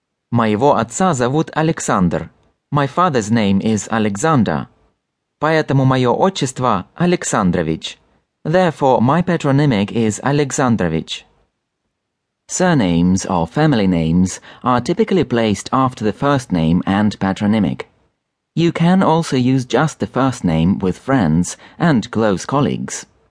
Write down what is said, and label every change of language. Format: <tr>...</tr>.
<ru>Моего отца зовут Александр.</ru> <en>My father's name is Alexander.</en> <ru>Поэтому мое отчество Александрович.</ru> <en>Therefore, my patronymic is Александрович. Surnames or family names are typically placed after the first name and patronymic. You can also use just the first name with friends and close colleagues.</en>